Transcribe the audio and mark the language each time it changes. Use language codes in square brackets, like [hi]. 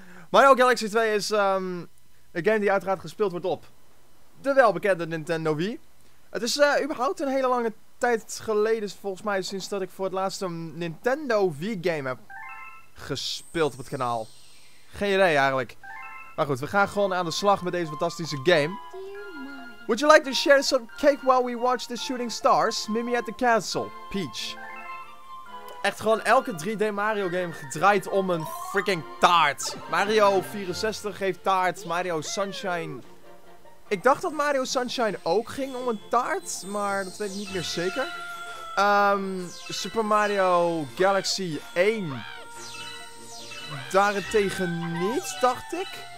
[nl] Mario Galaxy 2 is een game die uiteraard gespeeld wordt op de welbekende Nintendo Wii. Het is überhaupt een hele lange tijd geleden, volgens mij, sinds dat ik voor het laatste Nintendo Wii game heb gespeeld op het kanaal. Geen idee eigenlijk. Maar goed, we gaan gewoon aan de slag met deze fantastische game. [en] Would you like to share some cake while we watch the shooting stars? Mimi at the castle, Peach. [nl] Echt gewoon elke 3D Mario game gedraaid om een freaking taart. Mario 64 geeft taart, Mario Sunshine... Ik dacht dat Mario Sunshine ook ging om een taart, maar dat weet ik niet meer zeker. Super Mario Galaxy 1... Daarentegen niet, dacht ik.